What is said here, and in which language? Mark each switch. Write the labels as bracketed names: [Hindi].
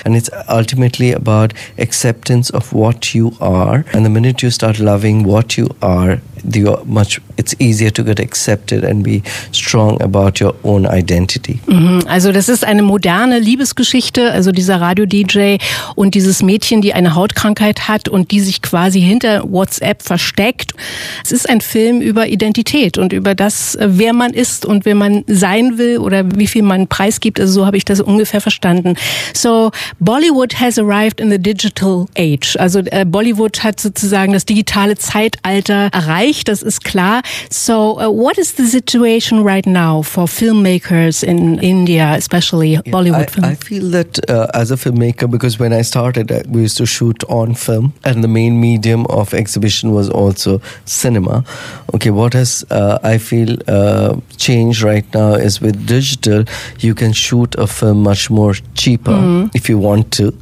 [English] And it's ultimately about acceptance of what you are. And the minute you start loving what you are, it's easier to get accepted and be strong about your own identity. Mhm. [German] Also das ist eine moderne Liebesgeschichte, also dieser Radio-DJ und dieses Mädchen, die eine Hautkrankheit hat und die sich quasi hinter WhatsApp versteckt. Es ist ein Film über Identität und über das, wer man ist und wer man sein will oder wie viel man preisgibt. Also so habe ich das ungefähr verstanden. [English] So, Bollywood has arrived in the digital age. [German] Also Bollywood hat sozusagen das digitale Zeitalter erreicht, das ist klar. [English] So, what is the situation right now for filmmakers in India, especially Bollywood film? I feel that as a filmmaker, because when I started, we used to shoot on film and the main medium of exhibition was also cinema. Okay, what has, I feel, changed right now is with digital, you can shoot a film much more cheaper if you want to.